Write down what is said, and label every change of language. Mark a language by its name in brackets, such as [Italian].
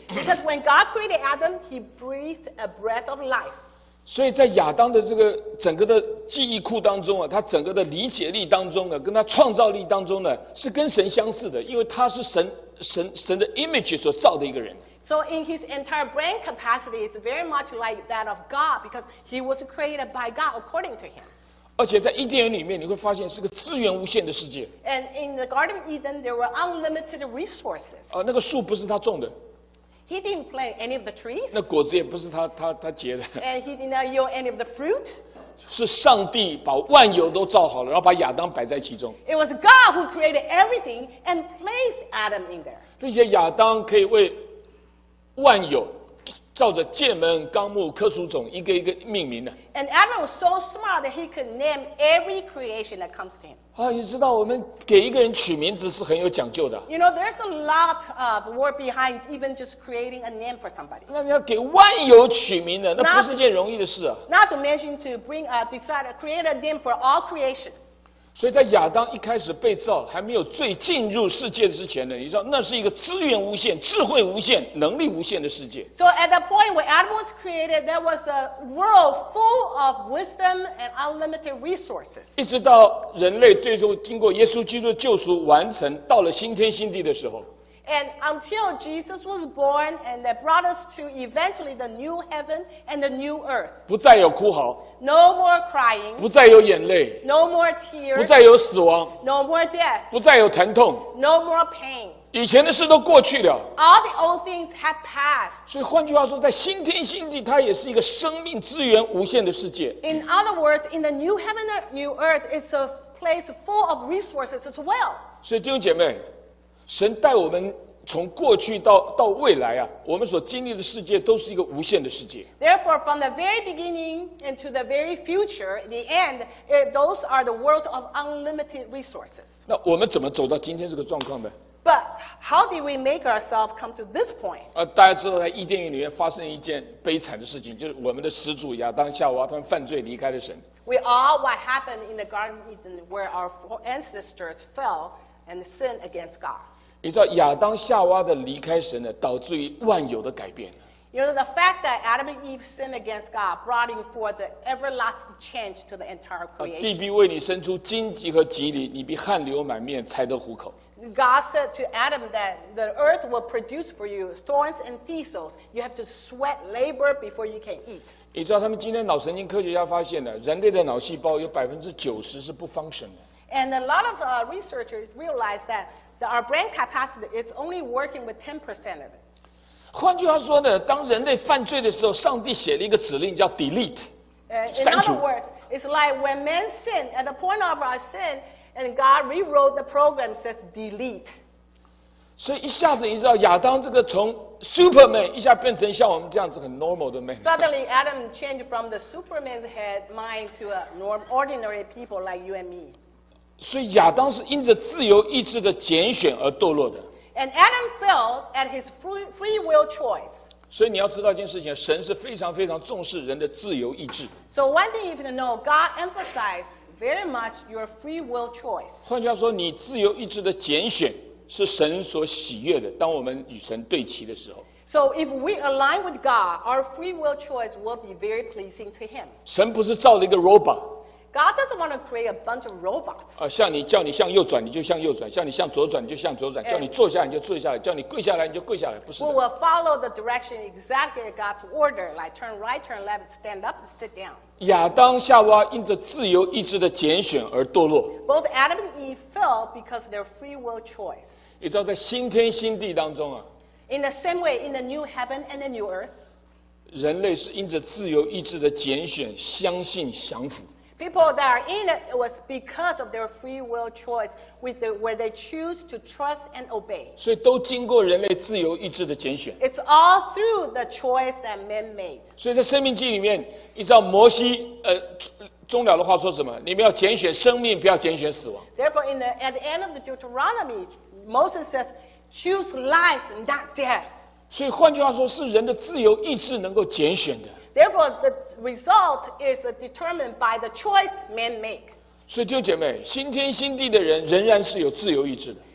[English] Because when God created Adam, he breathed a breath of life. [Chinese] 所以在亚当的这个整个的记忆库当中啊，他整个的理解力当中啊，跟他创造力当中呢，是跟神相似的，因为他是神的 image 所造的一个人。 [English] So in his entire brain capacity, it's very much like that of God, because he was created by God according to him. [Chinese] 而且在伊甸园里面，你会发现是个资源无限的世界。 [English] And in the Garden of Eden, there were unlimited resources. [Chinese] 那个树不是他种的。 [English] He didn't plant any of the trees. [Chinese] 那果子也不是他结的。 [English] And he did not yield any of the fruit. [Chinese] 是上帝把万有都造好了，然后把亚当摆在其中。 [English] It was God who created everything and placed Adam in there. [Chinese] 并且亚当可以为万有。照着界门纲目科属种一个一个命名的。 [English] And Adam was so smart that he could name every creation that comes to him. [Chinese] 你知道我们给一个人取名字是很有讲究的。 [English] You know, there's a lot of work behind even just creating a name for somebody. [Chinese] 那你要给万有取名的，那不是件容易的事啊。 [English] Not to mention to bring a decide to create a name for all creations. [Chinese] 所以在亚当一开始被造，还没有罪进入世界之前呢，你知道那是一个资源无限、智慧无限、能力无限的世界。 [English] So at that point when Adam was created, that was a world full of wisdom and unlimited resources. [Chinese] 一直到人类最终经过耶稣基督救赎完成，到了新天新地的时候。 [English] And until Jesus was born, and that brought us to eventually the new heaven and the new earth. [Chinese] 不再有哭嚎。 [English] No more crying. [Chinese] 不再有眼泪。 [English] No more tears. [Chinese] 不再有死亡。 [English] No more death. [Chinese] 不再有疼痛。 [English] No more pain. [Chinese] 以前的事都过去了。 [English] All the old things have passed. [Chinese] 所以换句话说，在新天新地，它也是一个生命资源无限的世界。 [English] In other words, in the new heaven and new earth, it's a place full of resources as well. [Chinese] 所以弟兄姐妹。神带我们从过去 到未来啊，我们所经历的世界都是一个无限的世界。 [English] Therefore, from the very beginning and to the very future, the end, those are the worlds of unlimited resources. [Chinese] 那我们怎么走到今天这个状况呢？ [English] But how did we make ourselves come to this point? [Chinese] 大家知道在伊甸园里面发生一件悲惨的事情，就是我们的始祖亚当夏娃他们犯罪离开了神。 [English] We all what happened in the Garden of Eden where our ancestors fell. And sin against God. [Chinese] 你知道亚当夏娃的离开神呢，导致于万有的改变。 [English] You know the fact that Adam and Eve sinned against God brought in for the everlasting change to the entire creation. [Chinese] 地必为你生出荆棘和蒺藜，你必汗流满面才得糊口。 [English] God said to Adam that the earth will produce for you thorns and thistles. You have to sweat labor before you can eat. [Chinese] 你知道他们今天脑神经科学家发现了，人类的脑细胞有90%是不 function 的。 [English] And a lot of researchers realize that our brain capacity is only working with 10% of it. [Chinese] 换句话说呢，当人类犯罪的时候，上帝写了一个指令叫 delete, 删除。 [English] In other words, it's like when man sinned, at the point of our sin, and God rewrote the program says delete. [Chinese] 所以一下子你知道亚当这个从 Superman 一下变成像我们这样子很 normal 的 man. [English] Suddenly Adam changed from the Superman's head mind to a norm, ordinary people like you and me. [Chinese] 所以亚当是因着自由意志的拣选而堕落的。 [English] And Adam fell at his free will choice. [Chinese] 所以你要知道一件事情，神是非常非常重视人的自由意志。 [English] So one thing you need to know, God emphasizes very much your free will choice. [Chinese] 换句话说，你自由意志的拣选是神所喜悦的。当我们与神对齐的时候。 [English] So if we align with God, our free will choice will be very pleasing to Him. [Chinese] 神不是造了一个 robot。 [English] God doesn't want to create a bunch of robots. [Chinese] 像你叫你向右转，你就向右转；叫你向左转，你就向左转；叫你坐下来，你就坐下来；叫你跪下来，你就跪下来。不是的。 [English] We will follow the direction exactly God's order, like turn right, turn left, stand up, and sit down. [Chinese] 亚当夏娃因着自由意志的拣选而堕落。 [English] Both Adam and Eve fell because of their free will choice. [Chinese] 你知道在新天新地当中啊。 [English] In the same way, in the new heaven and the new earth. [Chinese] 人类是因着自由意志的拣选，相信降服。 [English] People that are in it was because of their free will choice with the, where they choose to trust and obey. [Chinese] 所以都经过人类自由意志的拣选。 [English] It's all through the choice that men made. [Chinese] 所以在生命记里面，依照摩西终了的话说什么？你们要拣选生命，不要拣选死亡。 [English] Therefore, at the end of the Deuteronomy, Moses says, choose life, not death. [Chinese] 所以换句话说，是人的自由意志能够拣选的。 [English] Therefore, the result is determined by the choice men make. [Chinese] 所以弟兄姐妹，新天新地的人仍然是有自由意志的。